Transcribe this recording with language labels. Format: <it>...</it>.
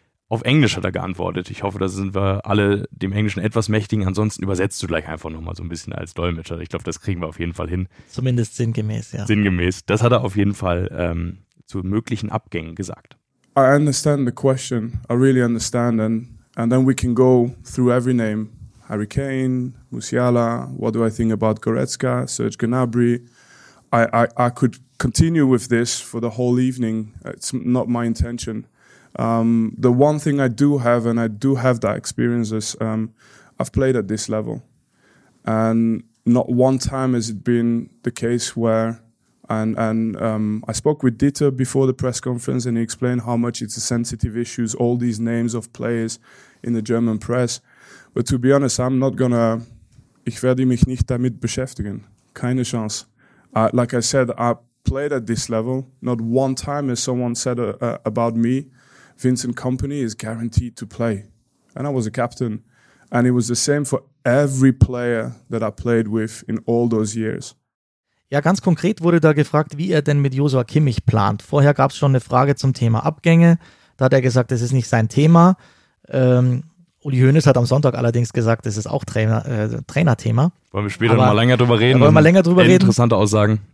<de>Auf Englisch hat er geantwortet. Ich hoffe, da sind wir alle dem Englischen etwas mächtigen. Ansonsten übersetzt du gleich einfach nochmal so ein bisschen als Dolmetscher. Ich glaube, das kriegen wir auf jeden Fall hin. Zumindest sinngemäß, ja. Sinngemäß. Das hat er auf jeden Fall zu möglichen Abgängen gesagt.</de> <en>I understand the question. I really understand. And then we can go through every name. Harry Kane, Musiala, what do I think about Goretzka, Serge Gnabry. I could continue with this for the whole evening. It's not my intention. The one thing I do have, and I do have that experience, is I've played at this level. And not one time has it been the case where, and I spoke with Dieter before the press conference, and he explained how much it's a sensitive issue, all these names of players in the German press. But to be honest, I'm not gonna,</en> <de>ich werde mich nicht damit beschäftigen. Keine Chance.</de> <en>Like I said, I played at this level. Not one time has someone said about me, Vincent Kompany is guaranteed to play. And I was a captain. And it was the same for every player that I played with in all those years.</en> <de>Ja, ganz konkret wurde da gefragt, wie er denn mit Joshua Kimmich plant. Vorher gab es schon eine Frage zum Thema Abgänge. Da hat er gesagt, das ist nicht sein Thema. Uli Hoeneß hat am Sonntag allerdings gesagt, das ist auch Trainerthema. Wollen wir später nochmal länger drüber reden. Interessante Aussagen.</de>